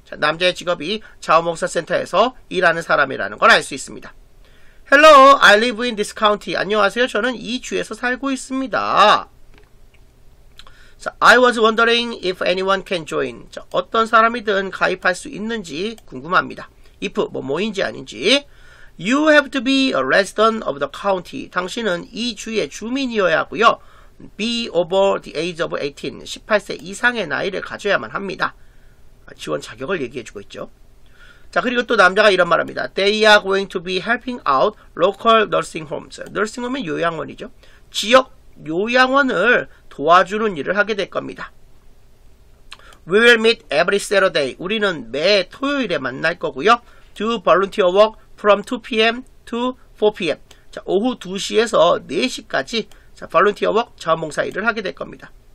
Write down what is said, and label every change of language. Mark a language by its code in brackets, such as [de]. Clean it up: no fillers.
[ko] 자, 남자의 직업이 자원봉사센터에서 일하는 사람이라는 걸 알 수 있습니다. [en] Hello, I live in this county. 안녕하세요. [ko] 저는 이 주에서 살고 있습니다. [en] 자, I was wondering if anyone can join. [ko] 자, 어떤 사람이든 가입할 수 있는지 궁금합니다. If 뭐뭐인지 아닌지. [en] You have to be a resident of the county. [ko] 당신은 이 주의 주민이어야 하고요. [en] Be over the age of 18, [ko] 18세 이상의 나이를 가져야만 합니다. 지원 자격을 얘기해주고 있죠. 자, 그리고 또 남자가 이런 말합니다. [en] They are going to be helping out local nursing homes. [ko] Nursing home은 요양원이죠. 지역 요양원을 도와주는 일을 하게 될 겁니다. [en] We will meet every Saturday. [ko] 우리는 매 토요일에 만날 거고요. [en] Do volunteer work from 2 p.m. to 4 p.m. [ko] 자, 오후 2시에서 4시까지 자, 볼런티어 워크, 자원봉사 일을 하게 될 겁니다.